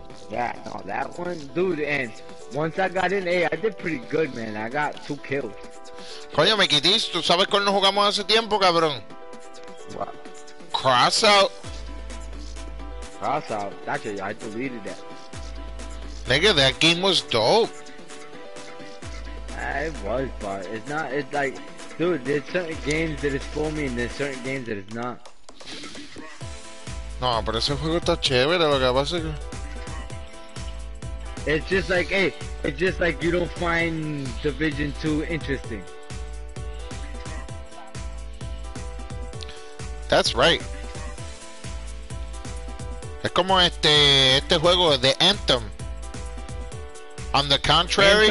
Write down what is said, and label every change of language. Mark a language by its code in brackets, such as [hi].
[en] Yeah, no, that one, dude, and once I got in, hey, I did pretty good, man. I got 2 kills. [es] Coño, me quitís. ¿Tú sabes cuál nos jugamos hace tiempo, cabrón? [en] What? Cross out. Cross out. Actually, I deleted that. Nigga, that game was dope. It was, but it's not. It's like, dude, there's certain games that it's for me, and there's certain games that it's not. [es] No, pero ese juego está chévere, lo que pasa es que... [en] It's just like, hey, it's just like you don't find Division 2 interesting. That's right. [es] Es como este juego de Anthem. [en] On the contrary...